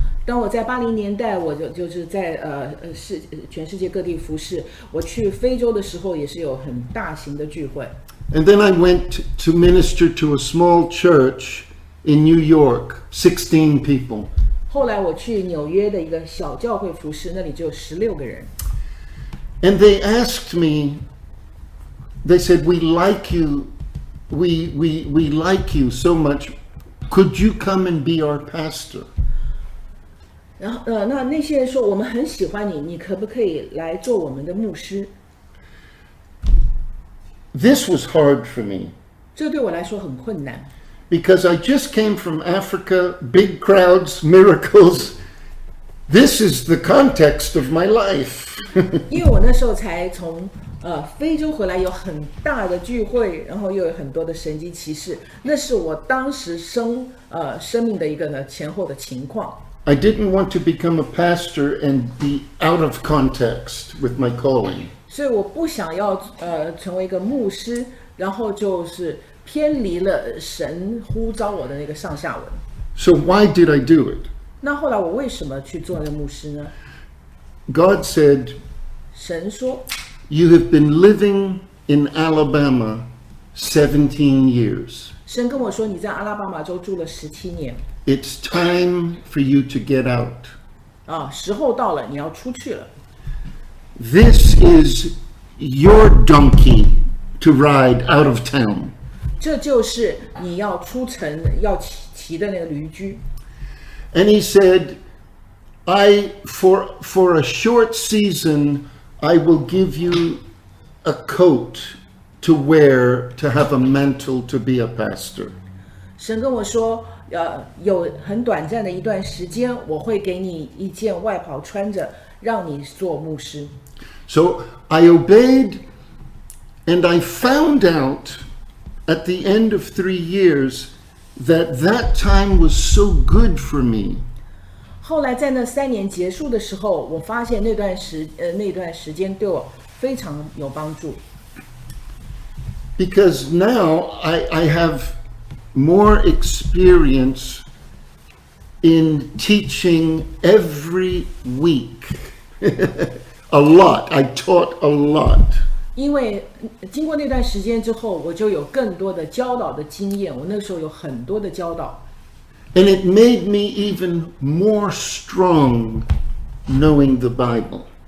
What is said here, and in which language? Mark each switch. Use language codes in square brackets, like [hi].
[zh] 当我在80年代，我就是在全世界各地服事。我去非洲的时候也是有很大型的聚会。 [en] And then I went to minister to a small church in New York, 16 people. [zh] 后来我去纽约的一个小教会服事，那里就十六个人。 [en] And they asked me, they said, "We like you, we like you so much. Could you come and be our pastor?" [zh] 然后那些人说我们很喜欢你，你可不可以来做我们的牧师 [en] ？This was hard for me. [zh] 这对我来说很困难。 [en] Because I just came from Africa, big crowds, miracles. This is the context of my life. [zh] 因为我那时候才从非洲回来，有很大的聚会，然后又有很多的神迹奇事，那是我当时生命的一个呢前后的情况。 [en] I didn't want to become a pastor and be out of context with my calling. [zh] 所以我不想要成为一个牧师，然后就是。偏离了神呼召我的那个上下文。 [en] So why did I do it? [zh] 那后来我为什么去做那牧师呢 [en] ？God said, [zh] 神说 [en] ，You have been living in Alabama 17 years. [zh] 神跟我说你在阿拉巴马州住了十七年。 [en] It's time for you to get out. [zh] 啊，时候到了，你要出去了。 [en] This is your donkey to ride out of town. [zh] 这就是你要出城要骑的那个驴驹。 [en] And he said, "I for a short season, I will give you a coat to wear to have a mantle to be a pastor." [zh] 神跟我说，有很短暂的一段时间，我会给你一件外袍穿着，让你做牧师。 [en] So I obeyed, and I found out.At the end of 3 years, that that time was so good for me. [zh] 后来在那三年结束的时候，我发现那段时间对我非常有帮助。 [en] Because now I have more experience in teaching every week. A lot. I taught a lot. [zh] 因为经过那段时间之后，我就有更多的教导的经验。我那时候有很多的教导。 [en] And it made me even more strong knowing the Bible.